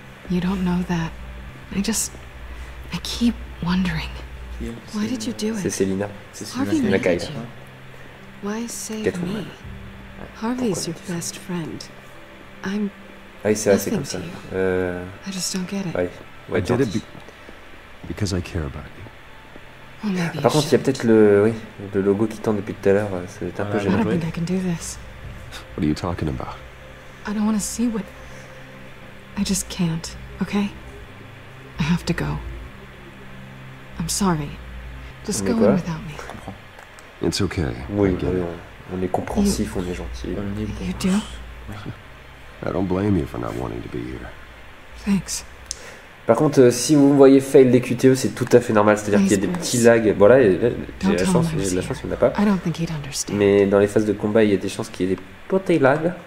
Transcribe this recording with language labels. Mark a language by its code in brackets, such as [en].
[en] You don't know that. I keep wondering. Why did you do it? [fr] C'est Selina. [en] Harvey needed you. Why save me? Harvey's your best friend. I'm nothing to you. I just don't get it. I did it because I care about you. [fr] Par contre, il y a peut-être le logo qui tend depuis tout à l'heure. C'est un peu gênant. [en] I don't think I can do this. What are you talking about? I don't want to see what... I just can't, okay? I have to go. I'm sorry. Just go on without me. It's okay. [fr] Oui, on est compréhensif, on est gentil. On est bon. [en] You do? I don't blame you for not wanting to be here. Thanks. [fr] Par contre, si vous me voyez fail des QTE, c'est tout à fait normal. C'est-à-dire qu'il y a des petits lags. Bon, là, j'ai la chance qu'il n'y en a pas. [en] I don't think he'd understand. [fr] Mais dans les phases de combat, il y a des chances qu'il y ait des potes lags.